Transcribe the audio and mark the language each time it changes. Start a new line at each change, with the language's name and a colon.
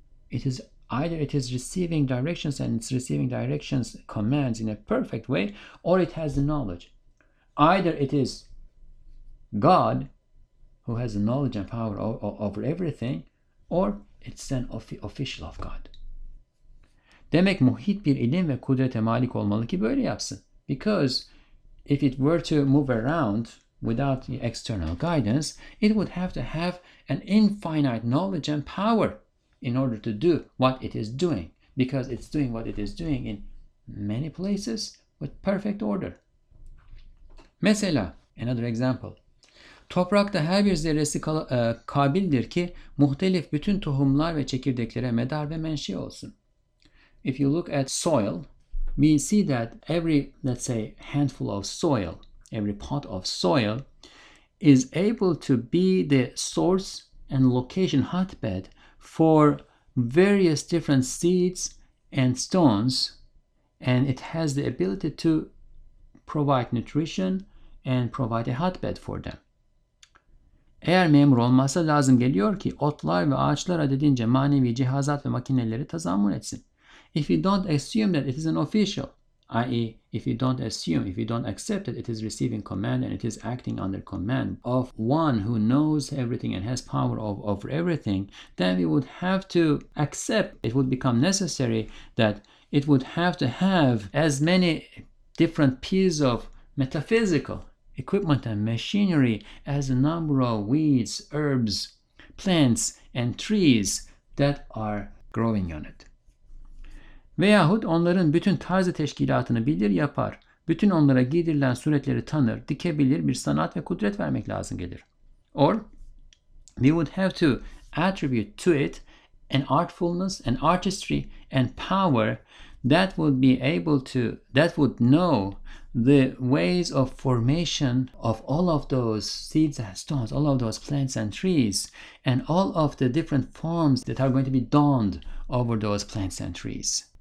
English: It is receiving directions, commands in a perfect way, or it has the knowledge. Either it is God, who has the knowledge and power over everything, or it's an official of God.
Turkish: Demek muhit bir ilim ve kudrete malik olmalı ki böyle yapsın.
English: Because if it were to move around without the external guidance, it would have to have an infinite knowledge and power in order to do what it is doing. Because it's doing what it is doing in many places with perfect order.
Turkish: Mesela,
English: another example.
Turkish: Toprakta her bir zerresi kabildir ki muhtelif bütün tohumlar ve çekirdeklere medar ve menşe olsun.
English: If you look at soil, we see that every, let's say, handful of soil, every pot of soil, is able to be the source and location hotbed for various different seeds and stones, and it has the ability to provide nutrition and provide a hotbed for them.
Turkish: Eğer memur olmasa lazım geliyor ki otlar ve ağaçlar adedince manevi cihazat ve makineleri tazammül etsin.
English: If you don't assume that it is an official, i.e. if you don't assume, if you don't accept that it is receiving command and it is acting under command of one who knows everything and has power over everything, then we would have to accept, it would become necessary that it would have to have as many different pieces of metaphysical equipment and machinery as the number of weeds, herbs, plants and trees that are growing on it.
Turkish: Veyahut onların bütün tarzı teşkilatını bilir yapar, bütün onlara giydirilen suretleri tanır, dikebilir bir sanat ve kudret vermek lazım gelir.
English: Or, we would have to attribute to it an artfulness, an artistry, and power that would be able to, that would know the ways of formation of all of those seeds and stones, all of those plants and trees, and all of the different forms that are going to be donned over those plants and trees.